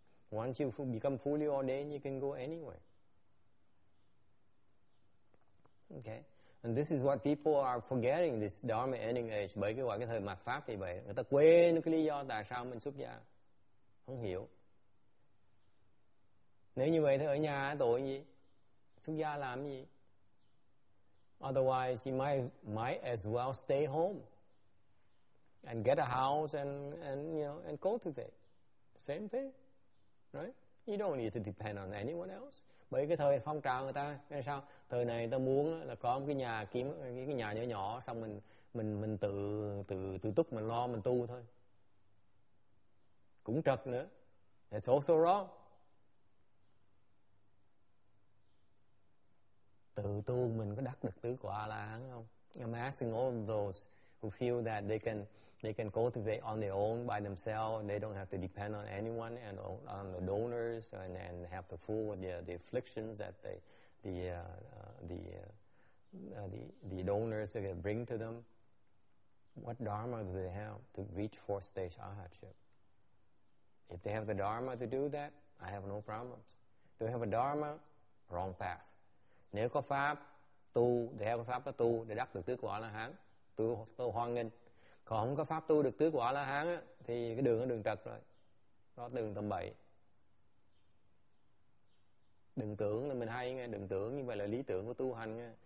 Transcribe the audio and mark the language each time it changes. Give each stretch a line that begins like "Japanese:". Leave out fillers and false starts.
English: Once you become fully ordained, you can go anywhere. Okay, and this is what people are forgetting, this Dharma ending age.
Vietnamese: Bởi cái gọi cái thời mạt pháp thì vậy, người ta quên cái lý do tại sao mình xuất gia, không hiểu. Nếu như vậy thì ở nhà tội gì, xuất gia làm gì?
English: Otherwise, you might as well stay home and get a house and cultivate. Same thing, right? You don't need to depend on anyone else.
Vietnamese: Bởi cái thời phong trào người ta, hay sao? Thời này người ta muốn là có một cái nhà kiếm cái nhà nhỏ nhỏ, xong mình tự túc, mình lo, mình tu thôi. Cũng trật nữa.
English: It's also wrong.
Vietnamese: Tự tu mình có đắc được tứ quả là hắn không?
English: I'm asking all those who feel that they can cultivate on their own by themselves, and they don't have to depend on anyone and on the donors and have to fool with the afflictions that the donors are going to bring to them. What dharma do they have to reach fourth stage arhatship? If they have the dharma to do that, I have no problems. Do they have a dharma? Wrong path.
Vietnamese: Nếu có pháp tu, để theo pháp đó tu để đắc được tứ quả la hán, tôi hoan nghênh. Còn không có pháp tu được tứ quả la hán thì cái đường nó đường trật rồi, nó đường tầm bậy. Đừng tưởng là mình hay nghe, đừng tưởng như vậy là lý tưởng của tu hành nghe.